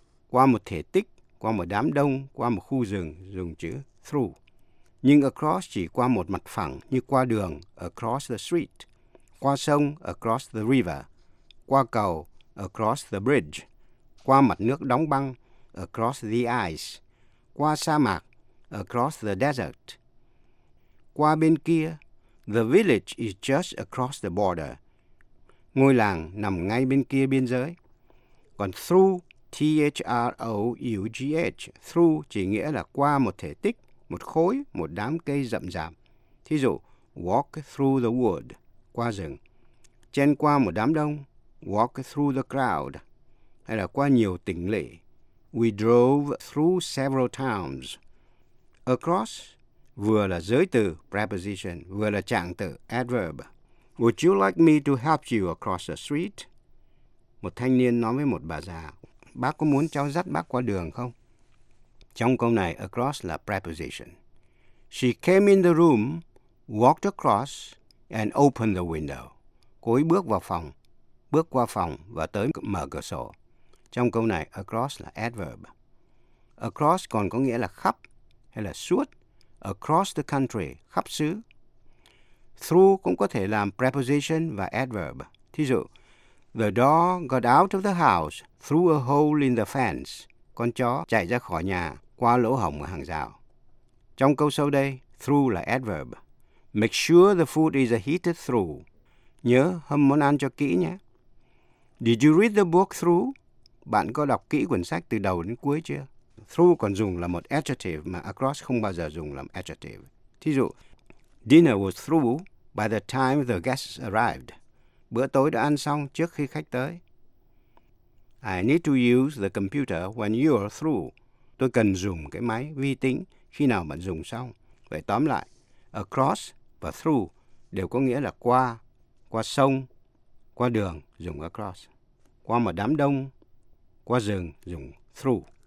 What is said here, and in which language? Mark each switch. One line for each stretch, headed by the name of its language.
Vietnamese: Qua một thể tích, qua một đám đông, qua một khu rừng dùng chữ through. Nhưng across chỉ qua một mặt phẳng như qua đường,
English: across the street.
Vietnamese: Qua sông,
English: across the river.
Vietnamese: Qua cầu,
English: across the bridge.
Vietnamese: Qua mặt nước đóng băng,
English: across the ice.
Vietnamese: Qua sa mạc,
English: across the desert.
Vietnamese: Qua bên kia,
English: the village is just across the border.
Vietnamese: Ngôi làng nằm ngay bên kia biên giới. Còn through, T-H-R-O-U-G-H, through chỉ nghĩa là qua một thể tích, một khối, một đám cây rậm rạp. Thí dụ,
English: walk through the wood,
Vietnamese: qua rừng. Chen qua một đám đông,
English: walk through the crowd.
Vietnamese: Hay là qua nhiều tỉnh lỵ.
English: We drove through several towns.
Vietnamese: Across vừa là giới từ, preposition, vừa là trạng từ, adverb.
English: Would you like me to help you across the street?
Vietnamese: Một thanh niên nói với một bà già, bác có muốn cháu dắt bác qua đường không? Trong câu này, across là preposition.
English: She came in the room, walked across, and opened the window.
Vietnamese: Cô ấy bước vào phòng, bước qua phòng và tới mở cửa sổ. Trong câu này, across là adverb. Across còn có nghĩa là khắp hay là suốt.
English: Across the country,
Vietnamese: khắp xứ. Through cũng có thể làm preposition và adverb. Thí dụ,
English: the dog got out of the house through a hole in the fence.
Vietnamese: Con chó chạy ra khỏi nhà qua lỗ hổng ở hàng rào. Trong câu sau đây, through là adverb.
English: Make sure the food is heated through.
Vietnamese: Nhớ hâm món ăn cho kỹ nhé.
English: Did you read the book through?
Vietnamese: Bạn có đọc kỹ quyển sách từ đầu đến cuối chưa? Through còn dùng là một adjective mà across không bao giờ dùng làm adjective. Thí dụ,
English: dinner was through by the time the guests arrived.
Vietnamese: Bữa tối đã ăn xong trước khi khách tới.
English: I need to use the computer when you're through.
Vietnamese: Tôi cần dùng cái máy vi tính khi nào bạn dùng xong. Vậy tóm lại, across và through đều có nghĩa là qua, qua sông, qua đường dùng across. Qua một đám đông, qua rừng dùng through.